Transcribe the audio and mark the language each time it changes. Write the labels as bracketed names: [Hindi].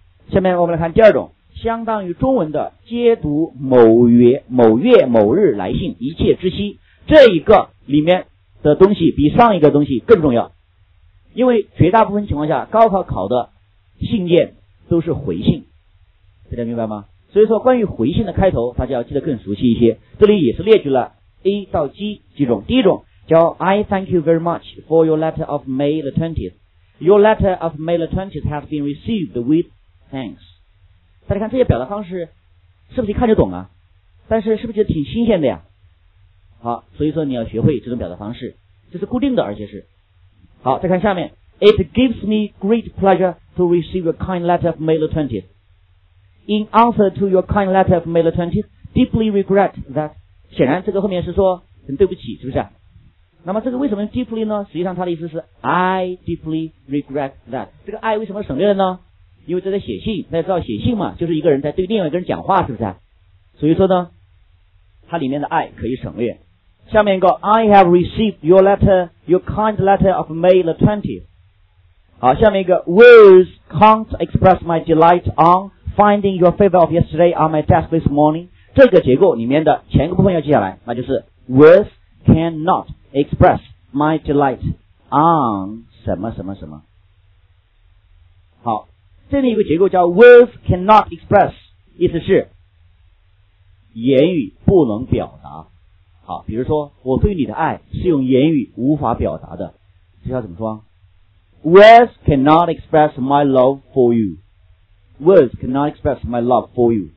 [Chinese] 下面我们来看第二种，相当于中文的接读某月某日来信，一切之期，这一个里面的东西比上一个东西更重要，因为绝大部分情况下高考考的信件都是回信，大家明白吗？所以说关于回信的开头大家要记得更熟悉一些。这里也是列举了 A 到 G 几种。第一种叫 [English] I thank you very much for your letter of May the 20th. Your letter of May the 20th has been received with thanks. [Chinese] 大家看这些表达方式是不是一看就懂啊，但是是不是觉得挺新鲜的呀？好，所以说你要学会这种表达方式，这是固定的，而且是好。再看下面， [English] It gives me great pleasure to receive a kind letter of May the 20th. In answer to your kind letter of May the 20th, deeply regret that. [Chinese] 显然这个后面是说很对不起，是不是？那么这个为什么 deeply 呢？实际上它的意思是 [English] I deeply regret that. [Chinese] 这个 I 为什么省略了呢？因为这在写信，大家知道写信嘛，就是一个人在对另外一个人讲话，是不是？所以说呢，它里面的 I 可以省略。下面一个 [English] I have received your letter, your kind letter of May the 20th. [Chinese] 好，下面一个 [English] Words can't express my delight on finding your favor of yesterday on my desk this morning. [Chinese] 这个结构里面的前个部分要记下来，那就是 [English] Words cannot express my delight on [Chinese] 什么什么什么。好，这里一个结构叫 [English] Words cannot express， [Chinese] 意思是言语不能表达。好，比如说我对你的爱是用言语无法表达的，这要怎么说？ [English] Words cannot express my love for you. Words cannot express my love for you.